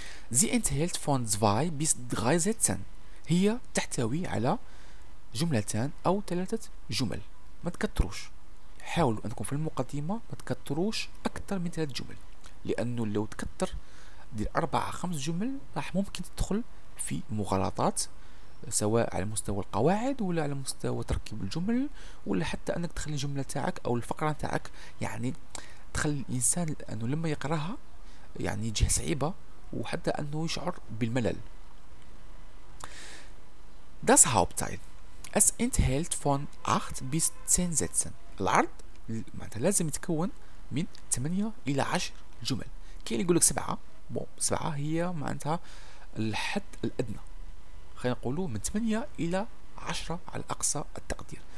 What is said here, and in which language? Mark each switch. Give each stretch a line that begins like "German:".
German: Sie enthält von zwei bis drei Sätzen.
Arabic: هي تحتوي على جملتان أو ثلاثة جمل. ما تكتروش، حاولوا أنكم في المقدمة ما تكتروش أكثر من ثلاث جمل، لأنه لو تكتر دي أربعة خمس جمل راح ممكن تدخل في مغالطات، سواء على مستوى القواعد ولا على مستوى تركيب الجمل، ولا حتى أنك تخلي الجملة تاعك أو الفقرة تاعك يعني تخلي الإنسان أنه لما يقرأها يعني يجيها صعيبة، وحتى أنه يشعر بالملل.
German: Das Hauptteil. Es enthält von 8 bis 10 Sätzen.
Arabic: العرض معناتها لازم يتكون من 8 إلى 10 جمل. كاين اللي يقول لك 7، سبعة هي معناتها الحد الأدنى. خلينا نقولوا من 8 إلى 10 على أقصى التقدير.